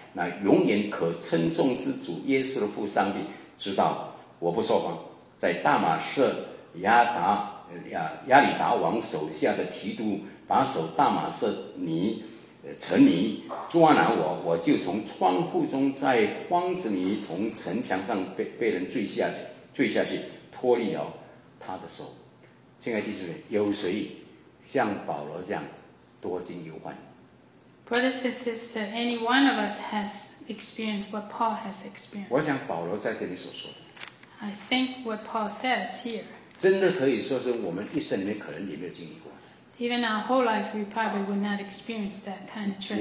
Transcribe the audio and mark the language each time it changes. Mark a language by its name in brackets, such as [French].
[Chinese] 那永远可称颂之主耶稣的父上帝知道我不说谎，在大马士亚达亚里达王手下的提督把守大马色尼城里抓拿我，我就从窗户中在荒子里从城墙上 被人坠下去脱离了他的手。亲爱的弟兄们，有谁像保罗这样多经忧患？ [English] Brothers and sisters, any one of us has experienced what Paul has experienced. [Chinese] 我想保罗在这里所说的 [English] I think what Paul says here [Chinese] 真的可以说是我们一生里面可能也没有经历过。 [English] Even our whole life, we probably would not experience that kind of tragedy.